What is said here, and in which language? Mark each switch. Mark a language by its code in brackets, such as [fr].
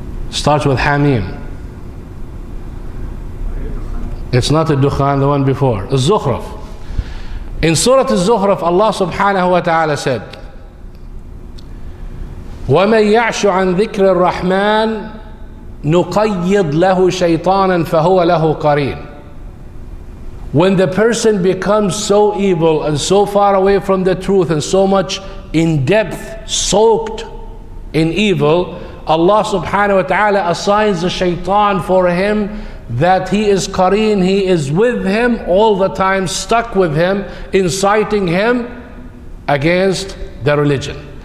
[en] Starts with Hamim. It's not Al-Dukhan, the one before. Al-Zukhruf. In Surah Al-Zukhruf, Allah subhanahu wa ta'ala said, [ar] وَمَنْ يَعْشُ عَنْ ذِكْرِ الرَّحْمَانِ نُقَيِّضْ لَهُ شَيْطَانًا فَهُوَ لَهُ قَرِينٌ. [en] When the person becomes so evil and so far away from the truth and so much in depth, soaked in evil, Allah subhanahu wa ta'ala assigns the shaitan for him that he is qareen, he is with him all the time, stuck with him, inciting him against the religion.